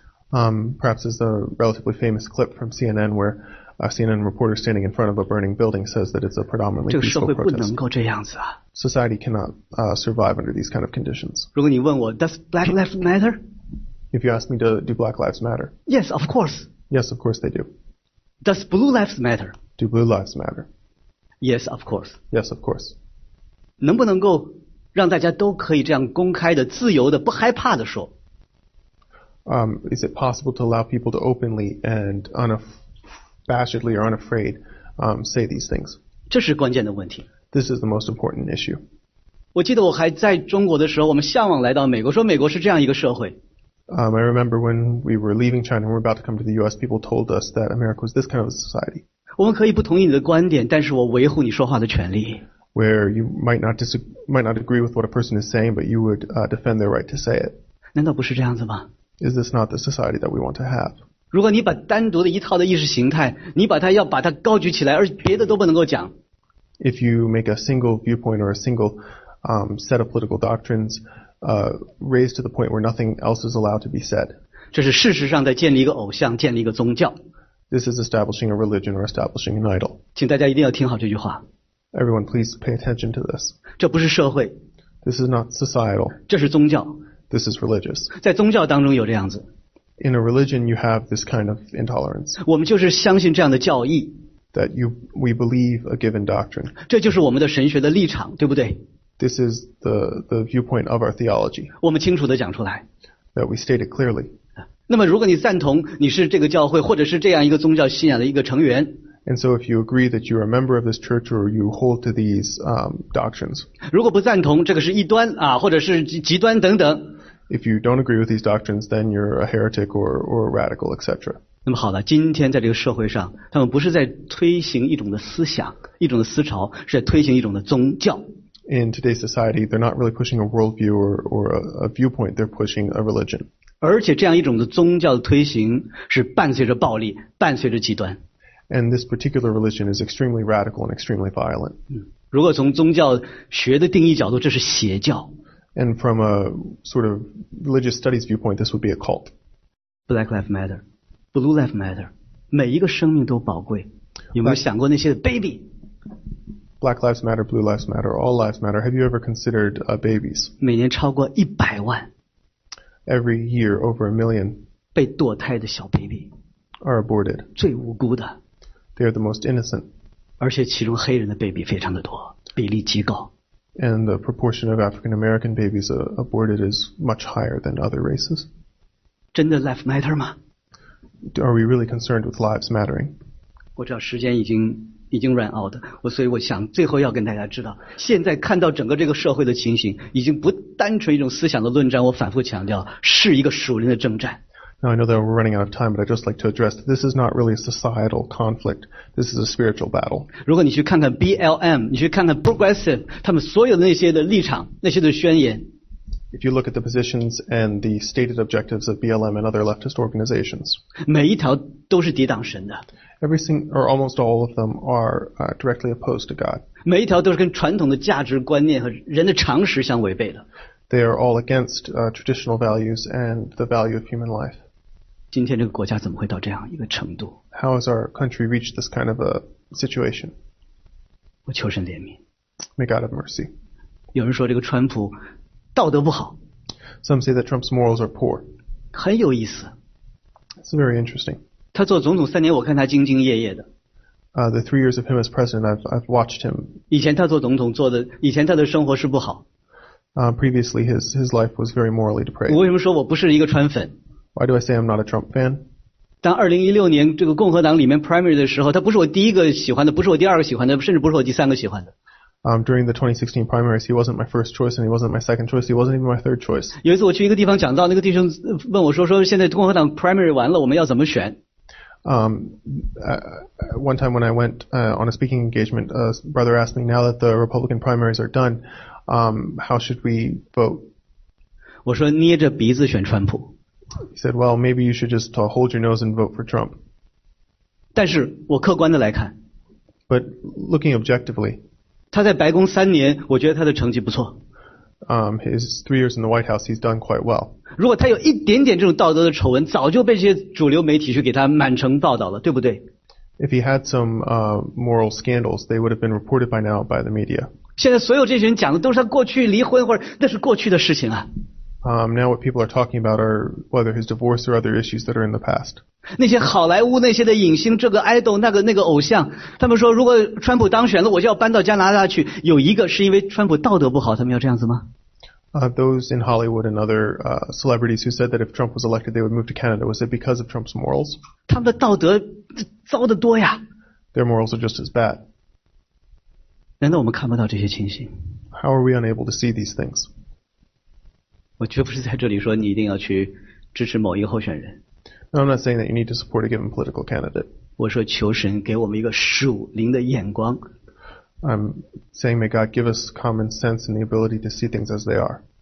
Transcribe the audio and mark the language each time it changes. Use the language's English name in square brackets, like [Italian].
[English] Perhaps it's a relatively famous clip from CNN where a CNN reporter standing in front of a burning building says that it's a predominantly peaceful protest. [Chinese] 这个社会不能够这样子啊。 [English] Society cannot survive under these kind of conditions. [Chinese] 如果你问我 ， [English] Does Black Lives Matter? If you ask me, do Black Lives Matter? Yes, of course. Yes, of course they do. Does blue lives matter? Do blue lives matter? Yes, of course. Yes, of course. [Chinese] 能不能够让大家都可以这样公开的、自由的、不害怕的说？ [English] Is it possible to allow people to openly and unabashedly or unafraid, say these things? [Chinese] 这是关键的问题。 [English] This is the most important issue. [Chinese] 我记得我还在中国的时候，我们向往来到美国，说美国是这样一个社会。 [English] I remember when we were leaving China and we were about to come to the U.S. People told us that America was this kind of a society. [Chinese] 我们可以不同意你的观点，但是我维护你说话的权利。 [English] Where you might not agree with what a person is saying, but you would defend their right to say it. [Chinese] 难道不是这样子吗？ [English] Is this not the society that we want to have? [Chinese] 如果你把单独的一套的意识形态，你把它要把它高举起来，而别的都不能够讲。 [English] If you make a single viewpoint or a single set of political doctrines. Raised to the point where nothing else is allowed to be said. [Chinese] 这是事实上在建立一个偶像，建立一个宗教。 [English] This is establishing a religion or establishing an idol. [Chinese] 请大家一定要听好这句话。 [English] Everyone, please pay attention to this. [Chinese] 这不是社会。 [English] This is not societal. [Chinese] 这是宗教。 [English] This is religious. [Chinese] 在宗教当中有这样子。 [English] In a religion, you have this kind of intolerance. [Chinese] 我们就是相信这样的教义。 [English] That we believe a given doctrine. [Chinese] 这就是我们的神学的立场，对不对？ [English] This is the viewpoint of our theology. [Chinese] 我们清楚地讲出来。 [English] That we state it clearly. [Chinese] 那么如果你赞同你是这个教会或者是这样一个宗教信仰的一个成员。 [English] And so if you agree that you are a member of this church or you hold to these doctrines. [Chinese] 如果不赞同这个是异端啊或者是极端等等。 [English] If you don't agree with these doctrines, then you're a heretic or a radical, etc. [Chinese] 那么好了，今天在这个社会上他们不是在推行一种的思想一种的思潮是在推行一种的宗教。 [English] In today's society, they're not really pushing a worldview or a viewpoint. They're pushing a religion. [Chinese] 而且这样一种的宗教推行是伴随着暴力，伴随着极端。 [English] And this particular religion is extremely radical and extremely violent. [Chinese] 如果从宗教学的定义角度，这是邪教。 [English] And from a sort of religious studies viewpoint, this would be a cult. Black Lives Matter, Blue Lives Matter, [Chinese] 每一个生命都宝贵。有没有想过那些 baby？ [English] Black Lives Matter, Blue Lives Matter, All Lives Matter. Have you ever considered babies? [Chinese] 每年超过100万。 [English] Every year, over 1 million. [Chinese] 被堕胎的小 baby. [English] Are aborted. [Chinese] 最无辜的。 [English] They are the most innocent. [Chinese] 而且其中黑人的 baby 非常的多，比例极高。 [English] And the proportion of African American babies aborted is much higher than other races. [Chinese] 真的 [English] Lives Matter [Chinese] 吗？ [English] Are we really concerned with lives mattering? [Chinese] 我知道时间已经 [English] run out， [Chinese] 所以我想最后要跟大家知道，现在看到整个这个社会的情形，已经不单纯一种思想的论战。我反复强调，是一个属灵的征战。 [English] Now I know that we're running out of time, but I'd just like to address that this is not really a societal conflict. This is a spiritual battle. [Chinese] 如果你去看看 BLM， 你去看看 Progressive， 他们所有的那些的立场，那些的宣言。 [English] If you look at the positions and the stated objectives of BLM and other leftist organizations， [Chinese] 每一条都是抵挡神的。 [English] Everything or almost all of them are directly opposed to God. [Chinese] 每一条都是跟传统的价值观念和人的常识相违背的。 [English] They are all against traditional values and the value of human life. [Chinese] 今天这个国家怎么会到这样一个程度？ [English] How has our country reached this kind of a situation? [Chinese] 我求神怜悯。 [English] May God have mercy. [Chinese] 有人说这个川普道德不好。 [English] Some say that Trump's morals are poor. [Chinese] 很有意思。 [English] It's very interesting. [Chinese] 他做总统三年，我看他兢兢业业的。 [English] The 3 years of him as president, I've watched him. [Chinese] 以前他做总统做的，以前他的生活是不好。 [English] Previously, his life was very morally depraved. [Chinese] 我为什么说我不是一个川粉 [English] ？Why do I say I'm not a Trump fan？ [Chinese] 当2016年这个共和党里面 primary 的时候，他不是我第一个喜欢的，不是我第二个喜欢的，甚至不是我第三个喜欢的。 [English] During the 2016 primaries, he wasn't my first choice, and he wasn't my second choice, he wasn't even my third choice. [Chinese] 有一次我去一个地方讲到，那个弟兄问我说：“现在共和党 primary 完了，我们要怎么选？” [English] One time when I went on a speaking engagement, a brother asked me, now that the Republican primaries are done, how should we vote? [Chinese] 我说捏着鼻子选川普。 [English] He said, well, maybe you should just hold your nose and vote for Trump. [Chinese] 但是我客观的来看。 [English] But looking objectively, [Chinese] 他在白宫三年，我觉得他的成绩不错。 [English] His 3 years in the White House, he's done quite well. [Chinese] 如果他有一点点这种道德的丑闻，早就被这些主流媒体去给他满城报道了，对不对？ [English] If he had some moral scandals, they would have been reported by now by the media. [Chinese] 现在所有这些人讲的都是他过去离婚或者那是过去的事情啊。 [English] Now what people are talking about are whether his divorce or other issues that are in the past. [Chinese] 那些好莱坞那些的影星，这个 idol 那个那个偶像，他们说如果川普当选了，我就要搬到加拿大去。有一个是因为川普道德不好，他们要这样子吗？ [English] Those in Hollywood and other celebrities who said that if Trump was elected they would move to Canada, was it because of Trump's morals? [Chinese] 他们的道德糟得多呀。 [English] Their morals are just as bad. [Chinese] 难道我们看不到这些情形？ [English] How are we unable to see these things? [Chinese] 我绝不是在这里说你一定要去支持某一个候选人。 [English] No, I'm not saying that you need to support a given political candidate. [Chinese] 我说求神给我们一个属灵的眼光。 [English] I'm saying may God give us common sense and the ability to see things as they are.